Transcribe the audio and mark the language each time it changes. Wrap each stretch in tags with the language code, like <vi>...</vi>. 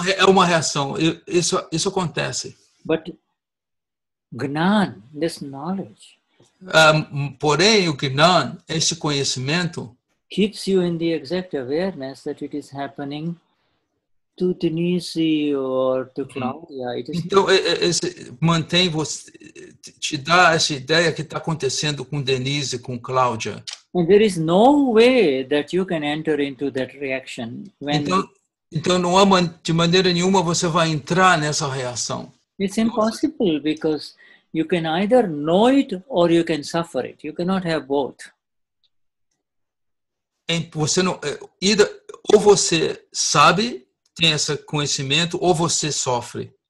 <pt>é uma reação. Isso acontece.</pt> <en>But gnan, this knowledge.</en> <pt>Porém, o gnan, esse conhecimento,</pt> <en>keeps you in the exact awareness that it is happening to Denise or to Claudia. It is</en> <pt>então, esse mantém você, te dá essa ideia que está acontecendo com Denise, com Claudia.</pt> <en>And there is no way that you can enter into that reaction. When</en> <pt>então não há de maneira nenhuma você vai entrar nessa reação.</pt> <en>It's impossible because you can either know it or you can suffer it. You cannot have both.</en> <pt>Você não, either, ou você sabe, tem esse conhecimento, ou você sofre.</pt>